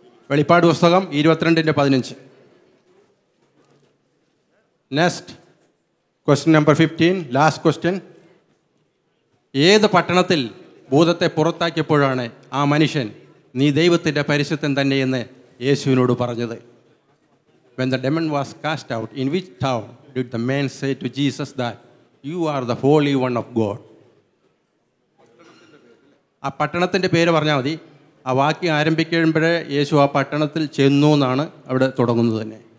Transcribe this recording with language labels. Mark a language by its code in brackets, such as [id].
[ml] വെളിപ്പാട് പുസ്തകം 22:15. Next question number 15, last question. ഏത് പട്ടണത്തിൽ ഭൂതത്തെ പുറത്താക്കിയപ്പോഴാണ് ആ മനുഷ്യൻ നീ ദൈവത്തിൻ്റെ പരിശുദ്ധൻ തന്നെയെന്ന് യേശുവിനോട് പറഞ്ഞത്? [en] When the demon was cast out, in which town did the man say to Jesus that you are the holy one of God? [ml] ആ പട്ടണത്തിൻ്റെ പേര് പറഞ്ഞാൽ മതി. ആ വാക്യം ആരംഭിക്കുമ്പോഴേ യേശു ആ പട്ടണത്തിൽ ചെന്നു എന്നാണ് അവിടെ തുടങ്ങുന്നത് തന്നെ.